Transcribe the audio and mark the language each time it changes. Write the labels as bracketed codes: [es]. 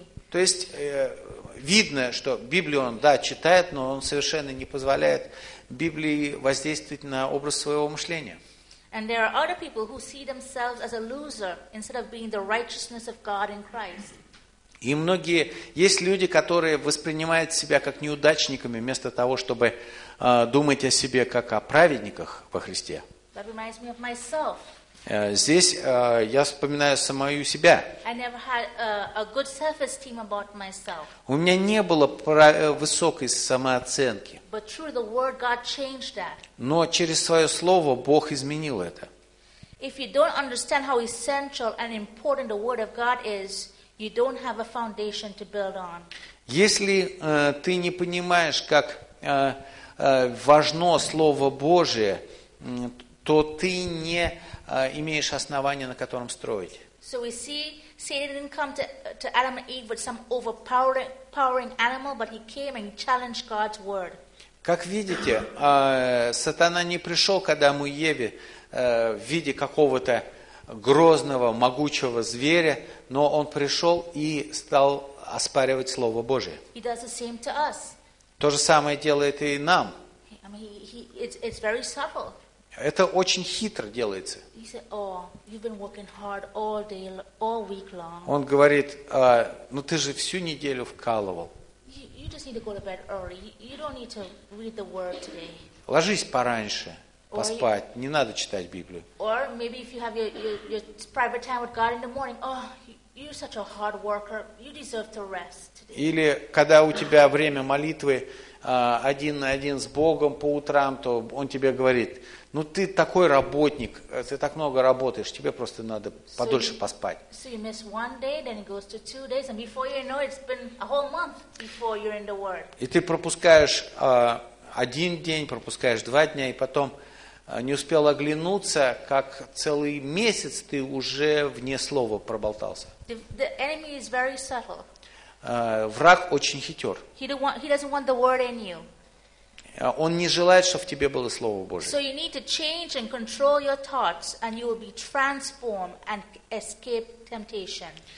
[ru] То есть, видно, что Библию он, да, читает, но он совершенно не позволяет Библии воздействовать на образ своего мышления. [en] And there are other people who see themselves as a loser instead of being the righteousness of God in Christ. [ru] И многие, есть люди, которые воспринимают себя как неудачниками, вместо того, чтобы думать о себе как о праведниках во Христе. [en] That reminds me of myself. [ru] Здесь я вспоминаю самую себя. [en] I never had a good self-esteem about myself. [ru] У меня не было высокой самооценки. [en] But through the word, God changed that. [ru] Но через свое слово Бог изменил это. [en] If you don't understand how essential and important the word of God is, you don't have a foundation to build on. [ru] Если ты не понимаешь, как важно слово Божие, то ты не имеешь основание, на котором строить. [en] So we see Satan didn't come to Adam and Eve with some overpowering animal, but he came and challenged God's word. [ru] Как видите, сатана не пришел к Адаму и Еве в виде какого-то грозного, могучего зверя, но он пришел и стал оспаривать Слово Божие. [en] He does the same to us. [ru] То же самое делает и нам. [en] I mean, it's very subtle. [ru] Это очень хитро делается. [en] He said, oh, you've been working hard all day, all week long. [ru] Он говорит, ну ты же всю неделю вкалывал. [en] You just need to go to bed early. You don't need to read the word today. [ru] Ложись пораньше, поспать. Не надо читать Библию. [en] Or maybe if you have your private time with God in the morning, oh, you're such a hard worker. You deserve to rest today. [ru] Или когда у тебя время молитвы один на один с Богом по утрам, то Он тебе говорит, ну ты такой работник, ты так много работаешь, тебе просто надо подольше поспать. [en] So you miss one day, then it goes to two days, and before you know it's been a whole month before you're in the Word. [ru] И ты пропускаешь один день, пропускаешь два дня, и потом не успел оглянуться, как целый месяц ты уже вне слова проболтался. [en] The enemy is very subtle. [ru] Враг очень хитер. [en] He doesn't want the word in you. [ru] Он не желает, чтобы в тебе было Слово Божие. [en] So you need to change and control your thoughts, and you will be transformed and escape temptation.